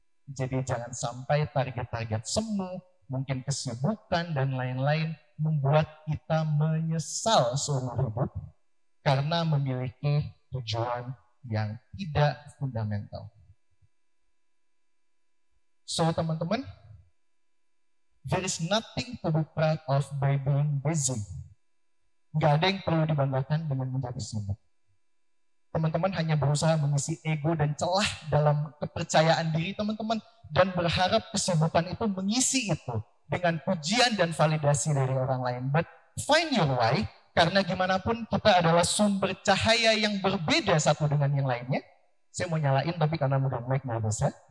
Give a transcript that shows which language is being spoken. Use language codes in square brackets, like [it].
[id] Jadi jangan sampai target-target semu, mungkin kesibukan dan lain-lain membuat kita menyesal seumur hidup karena memiliki tujuan yang tidak fundamental. [en] So, [id] teman-teman, [en] there is nothing to be proud of by being busy. [id] Gak ada yang perlu dibanggakan dengan menjadi sibuk. Teman-teman hanya berusaha mengisi ego dan celah dalam kepercayaan diri teman-teman dan berharap kesibukan itu mengisi itu dengan pujian dan validasi dari orang lain. [en] But find your why, [id] karena gimana pun kita adalah sumber cahaya yang berbeda satu dengan yang lainnya. Saya mau nyalain tapi karena mudah-mudahan gak bisa.